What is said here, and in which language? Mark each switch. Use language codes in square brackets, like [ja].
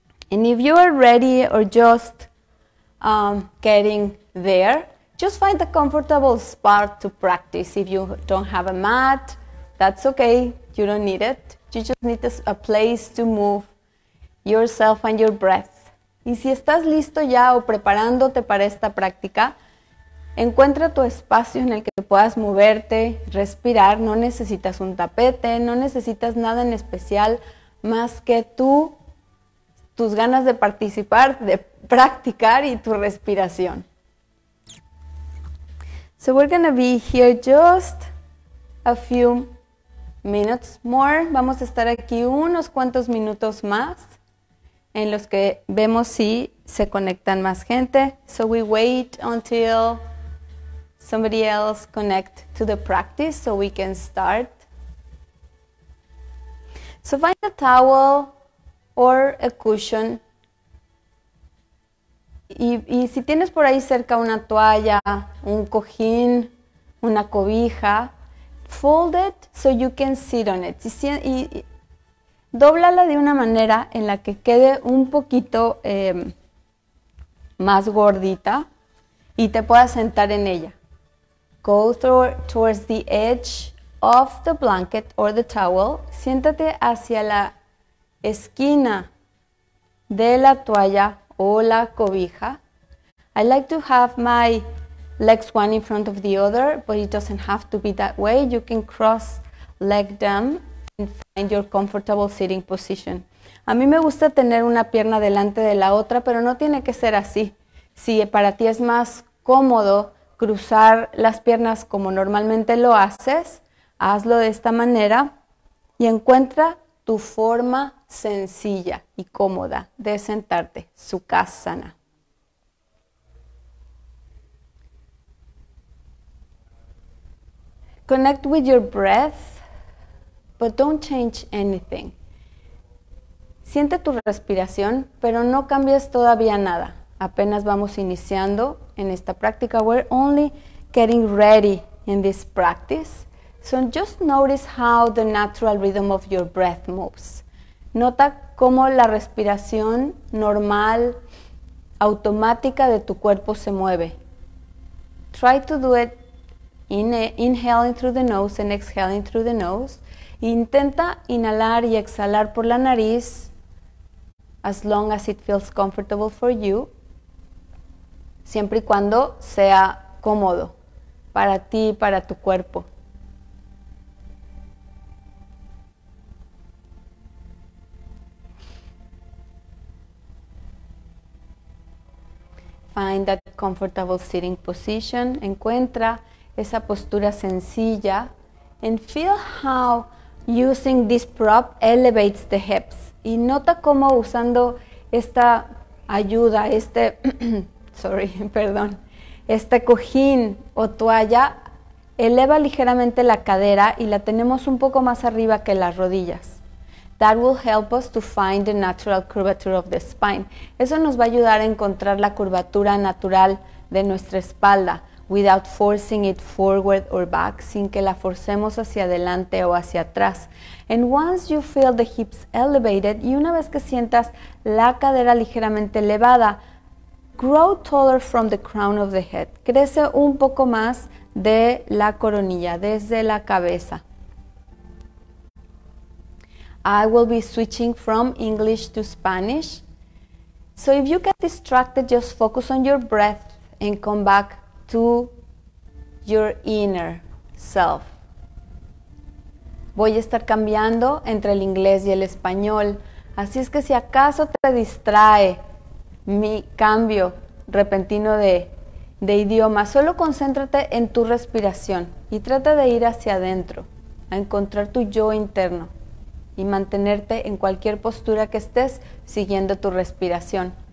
[en] And if you are ready or just getting there, just find a comfortable spot to practice. If you don't have a mat, that's okay. You don't need it. You just need a place to move yourself and your breath. [es] Y si estás listo ya o preparándote para esta práctica, encuentra tu espacio en el que puedas moverte, respirar. No necesitas un tapete, no necesitas nada en especial más que tus ganas de participar, de practicar y tu respiración. [en] So we're gonna be here just a few minutes more. [es] Vamos a estar aquí unos cuantos minutos más en los que vemos si se conectan más gente. [en] So we wait until somebody else connect to the practice so we can start. So find a towel or a cushion. [es] Y si tienes por ahí cerca una toalla, un cojín, una cobija, [en] fold it so you can sit on it. [es] Y dóblala de una manera en la que quede un poquito más gordita y te puedas sentar en ella. [en] Go towards the edge of the blanket or the towel. [es] Siéntate hacia la esquina de la toalla o la cobija. [en] I like to have my legs one in front of the other, but it doesn't have to be that way. You can cross leg them and find your comfortable sitting position. [es] A mí me gusta tener una pierna delante de la otra, pero no tiene que ser así. Si para ti es más cómodo cruzar las piernas como normalmente lo haces, hazlo de esta manera y encuentra tu forma sencilla y cómoda de sentarte, Sukhasana. [en] Connect with your breath, but don't change anything. [es] Siente tu respiración, pero no cambies todavía nada. Apenas vamos iniciando en esta práctica. [en] We're only getting ready in this practice. So just notice how the natural rhythm of your breath moves. [es] Nota cómo la respiración normal, automática de tu cuerpo se mueve. [en] Try to do it. Inhaling through the nose and exhaling through the nose. [es] Intenta inhalar y exhalar por la nariz [en] as long as it feels comfortable for you. [es] Siempre y cuando sea cómodo para ti y para tu cuerpo. [en] Find that comfortable sitting position. [es] Encuentra esa postura sencilla, [en] and feel how using this prop elevates the hips. [es] Y nota cómo usando esta ayuda, sorry, perdón, este cojín o toalla eleva ligeramente la cadera y la tenemos un poco más arriba que las rodillas. [en] That will help us to find the natural curvature of the spine. [es] Eso nos va a ayudar a encontrar la curvatura natural de nuestra espalda. [en] Without forcing it forward or back, [es] sin que la forcemos hacia adelante o hacia atrás. [en] And once you feel the hips elevated, [es] y una vez que sientas la cadera ligeramente elevada, [en] grow taller from the crown of the head. [es] Crece un poco más de la coronilla, desde la cabeza. [en] I will be switching from English to Spanish. So if you get distracted, just focus on your breath and come back to your inner self. [es] Voy a estar cambiando entre el inglés y el español, así es que si acaso te distrae mi cambio repentino de idioma, solo concéntrate en tu respiración y trata de ir hacia adentro, a encontrar tu yo interno y mantenerte en cualquier postura que estés siguiendo tu respiración.